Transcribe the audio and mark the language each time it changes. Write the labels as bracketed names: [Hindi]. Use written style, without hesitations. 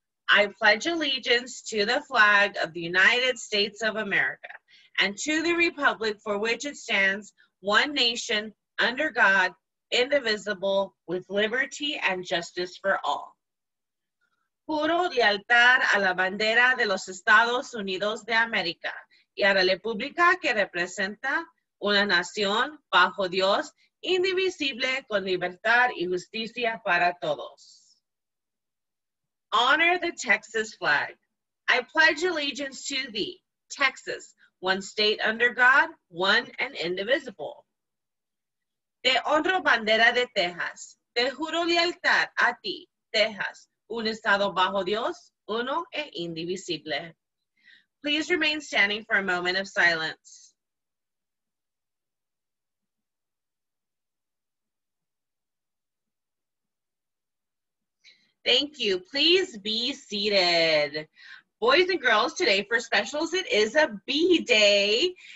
[English] I pledge allegiance to the flag of the United States of America and to the republic for which it stands, one nation, under God, indivisible, with liberty and justice for all. [Spanish] Juro lealtad a la bandera de los Estados Unidos de América y a la República que representa una nación bajo Dios, indivisible, con libertad y justicia para todos. [English] Honor the Texas flag. I pledge allegiance to thee, Texas, one state under God, one and indivisible. [Spanish] Te honro bandera de Texas. Te juro lealtad a ti, Texas. Un estado bajo Dios, uno e indivisible. [English] Please remain standing for a moment of silence. Thank you. Please be seated. Boys and girls, today for specials, it is a B day.